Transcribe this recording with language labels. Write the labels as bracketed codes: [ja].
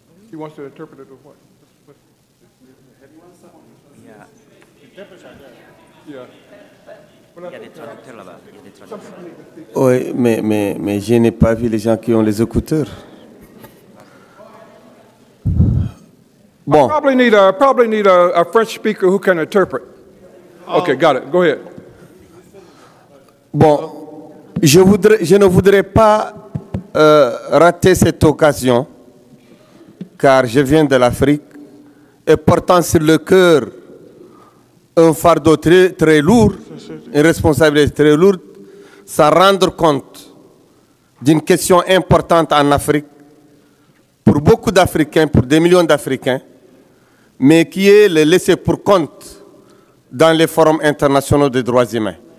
[en] He wants to interpret it or what? [fr] Oui, mais je n'ai pas vu les gens qui ont les écouteurs. Bon. [en] I probably need a French speaker who can interpret. Okay, got it. Go ahead. [fr] Bon, je ne voudrais pas rater cette occasion, car je viens de l'Afrique et portant sur le cœur un fardeau très, très lourd, une responsabilité très lourde, sans rendre compte d'une question importante en Afrique, pour beaucoup d'Africains, pour des millions d'Africains, mais qui est le laisser pour compte dans les forums internationaux des droits humains.